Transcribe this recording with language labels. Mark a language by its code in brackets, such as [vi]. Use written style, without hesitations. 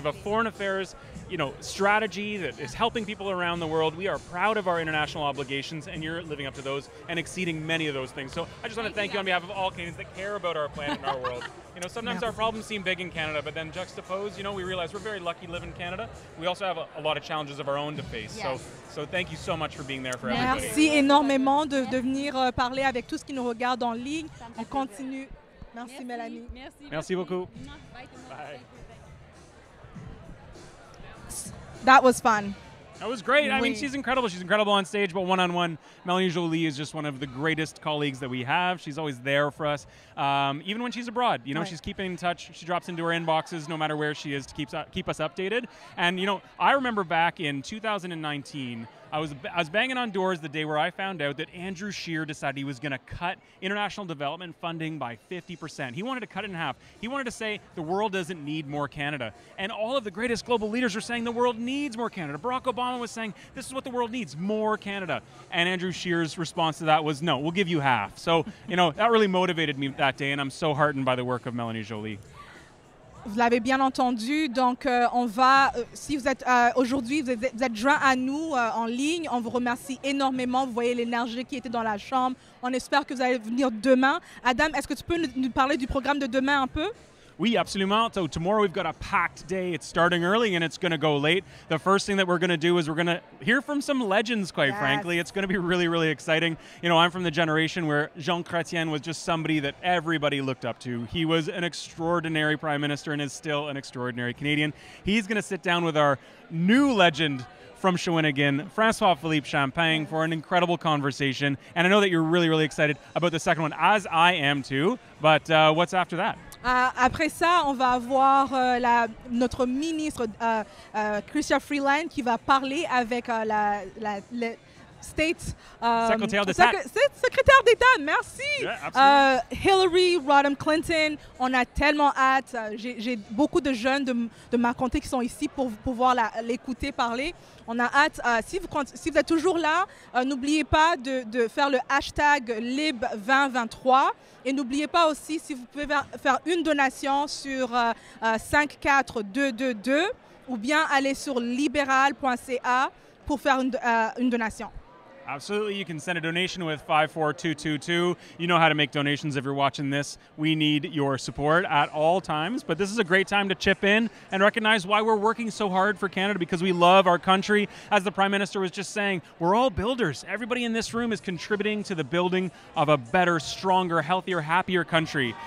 [en] We have a foreign affairs, strategy that is helping people around the world. We are proud of our international obligations, and you're living up to those and exceeding many of those things. So I just want to thank you on behalf of all Canadians that care about our planet and our world. Sometimes our problems seem big in Canada, but then juxtaposed, we realize we're very lucky to live in Canada. We also have a lot of challenges of our own to face. Yes. So thank you so much for being there for [fr] Merci Merci énormément de venir parler avec tous qui nous regardent en ligne. On continue. Merci, Mélanie. Merci beaucoup. [en] Bye. That was fun. That was great. I mean, she's incredible. She's incredible on stage, but one-on-one, Mélanie Joly is just one of the greatest colleagues that we have. She's always there for us, even when she's abroad. Right. She's keeping in touch. She drops into her inboxes no matter where she is to keep us updated. And, I remember back in 2019, I was banging on doors the day where I found out that Andrew Scheer decided he was going to cut international development funding by 50%. He wanted to cut it in half. He wanted to say the world doesn't need more Canada. And all of the greatest global leaders are saying the world needs more Canada. Barack Obama was saying this is what the world needs, more Canada. And Andrew Scheer's response to that was, no, we'll give you half. So, that really motivated me that day, and I'm so heartened by the work of Mélanie Joly. [fr] Vous l'avez bien entendu, donc on va, si vous êtes aujourd'hui, vous êtes joints à nous en ligne, on vous remercie énormément, vous voyez l'énergie qui était dans la chambre, on espère que vous allez venir demain. Adam, est-ce que tu peux nous parler du programme de demain un peu? Oui, absolument. [en] So tomorrow we've got a packed day. It's starting early and it's going to go late. The first thing that we're going to do is we're going to hear from some legends, quite frankly. It's going to be really, really exciting. I'm from the generation where Jean Chrétien was just somebody that everybody looked up to. He was an extraordinary prime minister and is still an extraordinary Canadian. He's going to sit down with our new legend from Shawinigan, François-Philippe Champagne, for an incredible conversation. And I know that you're really, really excited about the second one, as I am too. But what's after that? [fr] Après ça, on va avoir notre ministre, Chrystia Freeland, qui va parler avec la [en] State [fr] Secrétaire d'État, merci. [en] Yeah, [fr] Hillary Rodham Clinton, on a tellement hâte. J'ai beaucoup de jeunes de ma comté qui sont ici pour pouvoir l'écouter parler. On a hâte. Si vous êtes toujours là, n'oubliez pas de faire le hashtag Lib2023. Et n'oubliez pas aussi, si vous pouvez faire une donation sur 54222 ou bien aller sur libéral.ca pour faire une donation. [en] Absolutely, you can send a donation with 54222. You know how to make donations if you're watching this. We need your support at all times, but this is a great time to chip in and recognize why we're working so hard for Canada, because we love our country. As the Prime Minister was just saying, we're all builders. Everybody in this room is contributing to the building of a better, stronger, healthier, happier country.